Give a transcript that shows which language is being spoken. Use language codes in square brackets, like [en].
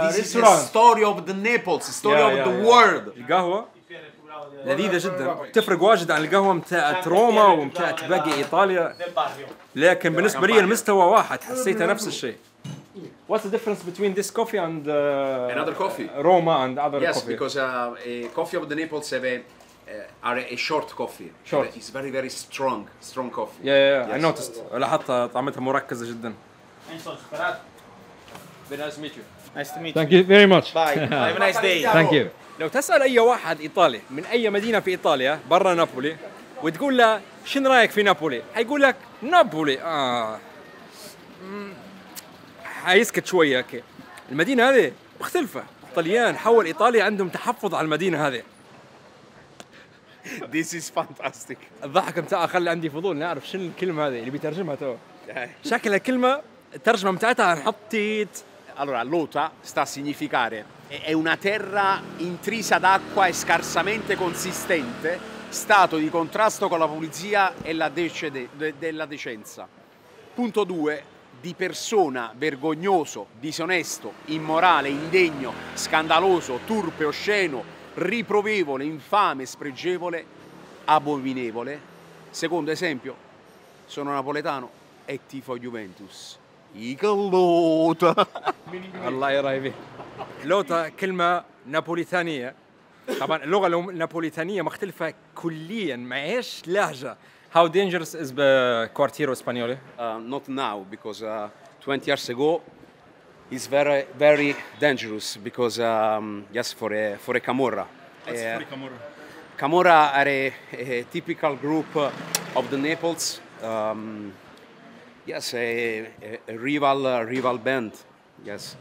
[en] this is the story of the Naples, story of the world. [ar] القهوة لذيذة جدا، تفرق واجد عن القهوة متاعت روما ومتاعت باقي إيطاليا، لكن بالنسبة لي المستوى واحد، حسيتها نفس الشيء. [en] What's the difference between this coffee and another coffee? Roma and other yes, coffee. Yes, because a coffee of the Naples have are a short coffee. Short. It's very very strong coffee. Yeah, yeah, yeah. Yes. I noticed. [ar] لاحظت طعمتها مركزة جدا. [en] Nice to meet you. Thank you very much. Bye. Have a nice day. Thank you. [ar] لو تسأل أي واحد إيطالي من أي مدينة في إيطاليا برا نابولي وتقول له شن رأيك في نابولي؟ هيقول لك نابولي هيسكت شوية كي. المدينة هذه مختلفة. إيطاليان حول إيطاليا عندهم تحفظ على المدينة هذه. [en] This is fantastic. [ar] الضحك متاع خلي عندي فضول نعرف شن الكلمة هذه اللي بيترجمها تو. شكلها كلمة الترجمة متاعتها هنحط تيت. [it] Allora, Lota sta a significare è una terra intrisa d'acqua e scarsamente consistente, stato di contrasto con la pulizia e la della decenza. Punto 2. Di persona vergognoso, disonesto, immorale, indegno, scandaloso, turpe, osceno, riprovevole, infame, spregevole, abominevole. Secondo esempio, sono napoletano e tifo Juventus. [ar] يقلوطة الله يراي به لوطة كلمة نابوليتانية طبعا اللغة النابوليتانية مختلفة كليا ما هيش لهجة [en] How dangerous is the quartiero espanoli? Not now because 20 years ago it's very very dangerous because yes for a camorra What's for a camorra? Camorra are a typical group of the Naples Yes, a rival band. Yes.